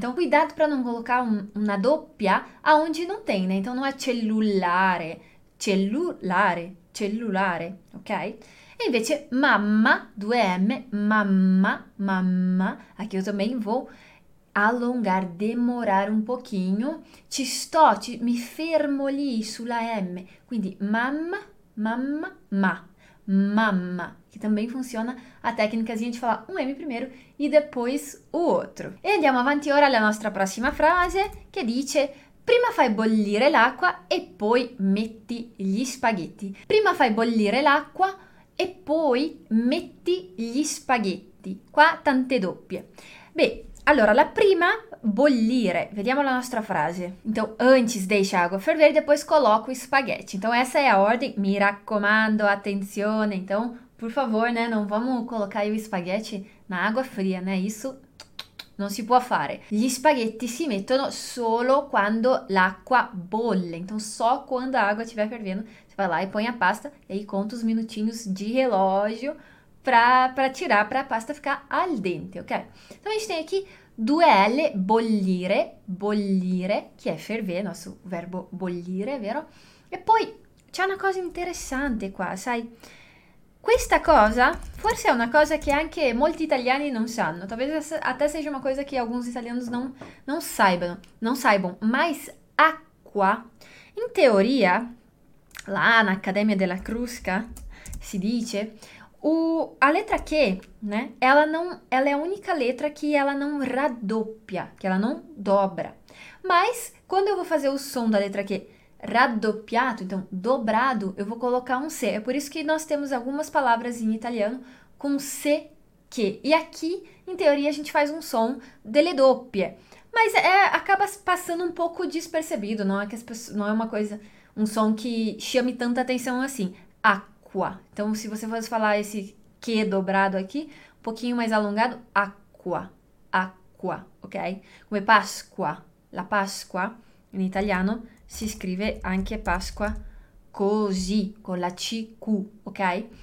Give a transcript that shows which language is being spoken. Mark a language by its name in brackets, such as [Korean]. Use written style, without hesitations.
[Portuguese] Então cuidado para não colocar uma doppia aonde não tem, né? Então não é cellulare, cellulare, cellulare, ok? [Italian] E invece mamma, due M, mamma, mamma. [Portuguese] Aqui eu também vou [Italian] allungare, demorare un pochino, mi fermo lì sulla M, quindi mamma, mamma, ma, mamma, che [Portuguese] também funziona a tecnica [Italian] di fare un M [Portuguese] primeiro e depois o outro. [Italian] E andiamo avanti ora alla nostra prossima frase che dice: prima fai bollire l'acqua e poi metti gli spaghetti. Prima fai bollire l'acqua e poi metti gli spaghetti. Qua tante doppie. Beh, allora, la prima, bollire. Vediamo la nostra frase. [Portuguese] Então, antes deixa a água ferver, depois coloco o espaguete. Então, essa é a ordem. [Italian] Mi raccomando, attenzione. [Portuguese] Então, por favor, né? Não vamos colocar aí o espaguete na água fria, né? Isso não [Italian] se può fare. Gli spaghetti si mettono solo quando l'acqua bolle. [Portuguese] Então, só quando a água estiver fervendo, você vai lá e põe a pasta. E aí, conta os minutinhos de relógio. Para a pasta ficar al dente, ok? Então a gente tem aqui [Italian] due L, bollire, bollire, che [Portuguese] è ferver, nosso verbo bollire, vero? [Italian] E poi c'è una cosa interessante qua, sai? Questa cosa forse è una cosa che anche molti italiani non sanno, [Portuguese] talvez até seja uma coisa che alguns italianos non saibano, mas acqua, [Italian] in teoria, là nell'Accademia della Crusca si dice. [Portuguese] A letra Q, né? Ela é a única letra que ela não [Italian] radoppia, [Portuguese] que ela não dobra. Mas quando eu vou fazer o som da letra Q [Italian] radoppiato, [Portuguese] então dobrado, eu vou colocar um C. É por isso que nós temos algumas palavras em italiano com C, Q. E aqui, em teoria, a gente faz um som [Italian] delle doppie. [Portuguese] Mas acaba passando um pouco despercebido, não é que não é uma coisa, um som que chame tanta atenção assim. Então, se você fosse falar esse Q dobrado aqui, um pouquinho mais alongado, aqua, aqua, ok? [Italian] Come Pasqua, la Pasqua, in italiano si scrive anche Pasqua così, con la CQ, ok?